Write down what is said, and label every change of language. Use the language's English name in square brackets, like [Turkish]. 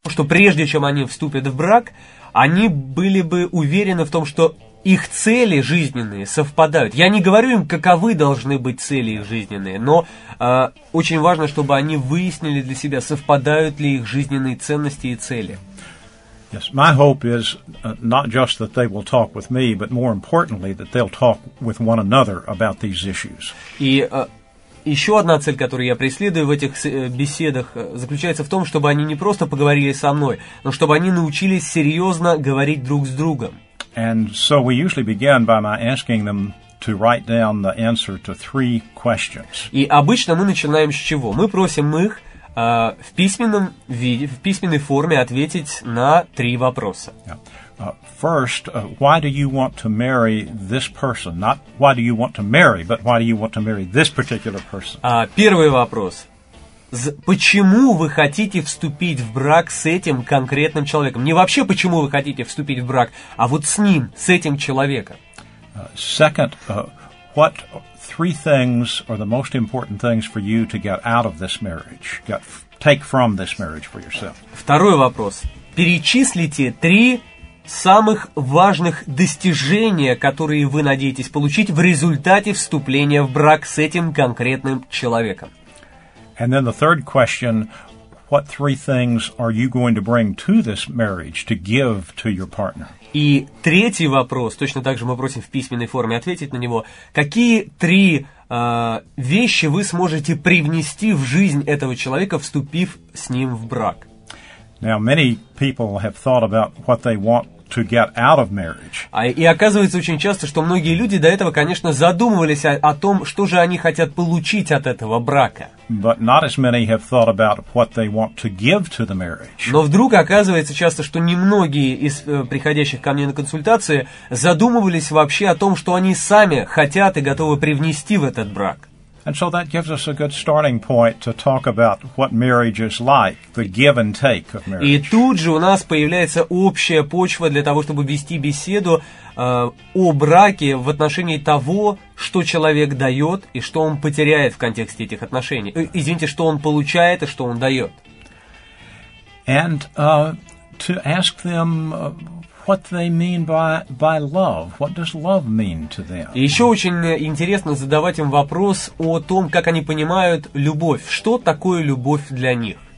[Russian] что прежде чем они вступят в брак, они были бы уверены в том, что их цели жизненные совпадают. Я не говорю им, каковы должны быть цели их жизненные, но очень важно, чтобы они выяснили для себя, совпадают ли их жизненные ценности и цели. [English] Yes, my hope is not just that they will talk with me, but more importantly, that they'll talk with one another about these issues. [Russian] И еще одна цель, которую я преследую в этих беседах, заключается в том, чтобы они не просто поговорили со мной, но чтобы они научились серьезно говорить друг с другом. [English] And so we usually begin by my asking them to write down the answer to three questions. [Russian] И обычно мы начинаем с чего? Мы просим их в письменном виде, в письменной форме ответить на три вопроса. [English] First, why do you want to marry this person? Not why do you want to marry, but why do you want to marry this particular person? [Russian] Первый вопрос. Почему вы хотите вступить в брак с этим конкретным человеком? Не вообще, почему вы хотите вступить в брак, а вот с ним, с этим человеком. [English] Second, what three things are the most important things for you to get out of this marriage, take from this marriage for yourself? [Russian] Второй вопрос. Перечислите три самых важных достижения, которые вы надеетесь получить в результате вступления в брак с этим конкретным человеком. [English] And then the third question, what three things are you going to bring to this marriage to give to your partner? [Russian] И третий вопрос, точно так же мы просим в письменной форме ответить на него, какие три вещи вы сможете привнести в жизнь этого человека, вступив с ним в брак? [English] Now, many people have thought about what they want to get out of marriage. [Russian] И оказывается очень часто, что многие люди до этого, конечно, задумывались о том, что же они хотят получить от этого брака. [English] But not as many have thought about what they want to give to the marriage. [Russian] Но вдруг оказывается часто, что немногие из приходящих ко мне на консультации задумывались вообще о том, что они сами хотят и готовы привнести в этот брак. [English] And so that gives us a good starting point to talk about what marriage is like, the give and take of marriage. [Russian] И тут же у нас появляется общая почва для того, чтобы вести беседу о браке в отношении того, что человек дает и что он потеряет в контексте этих отношений. Извините, что он получает и что он дает. [English] And to ask them what they mean by love. What does love mean to them? [Russian] И еще очень интересно задавать им вопрос о том, как они понимают любовь. Что такое любовь для них?